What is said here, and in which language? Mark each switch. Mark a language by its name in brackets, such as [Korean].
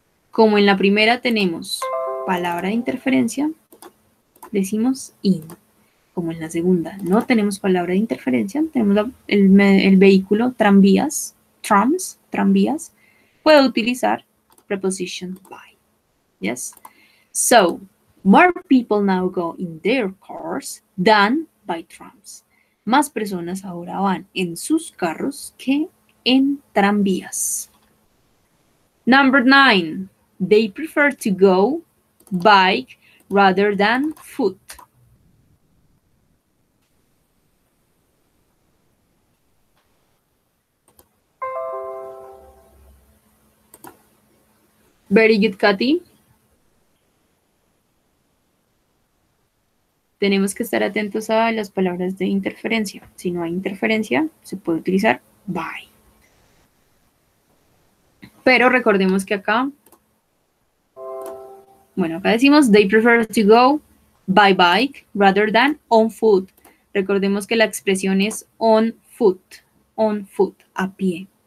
[Spanish] Como en la primera tenemos palabra de interferencia, decimos in. Como en la segunda no tenemos palabra de interferencia, tenemos el vehículo, tranvías, trams, tranvías. Puedo utilizar preposition by. Yes. [English] So, more people now go in their cars than by trams. [Spanish] Más personas ahora van en sus carros que en tranvías. [English] Number nine. They prefer to go bike rather than foot. Very good, Katy. [Spanish] Tenemos que estar atentos a las palabras de interferencia. Si no hay interferencia, se puede utilizar bye. Pero recordemos que acá, bueno, acá decimos [English] they prefer to go by bike rather than on foot. [Spanish] Recordemos que la expresión es [English] on foot, [Spanish] a pie.